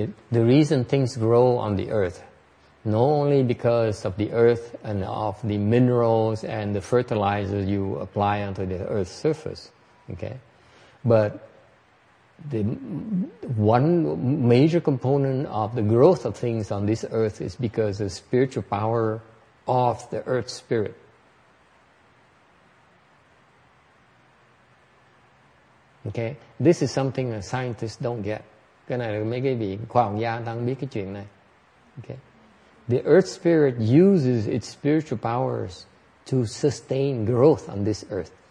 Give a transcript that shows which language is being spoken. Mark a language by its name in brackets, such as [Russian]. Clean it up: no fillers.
[English] The reason things grow on the earth, not only because of the earth and of the minerals and the fertilizers you apply onto the earth's surface, okay, but the one major component of the growth of things on this earth is because of the spiritual power of the earth spirit. Okay, this is something that scientists don't get. [Vietnamese] Cái này là mấy cái vị khoa học gia đang biết cái chuyện này. [English] Okay, the earth spirit uses its spiritual powers to sustain growth on this earth.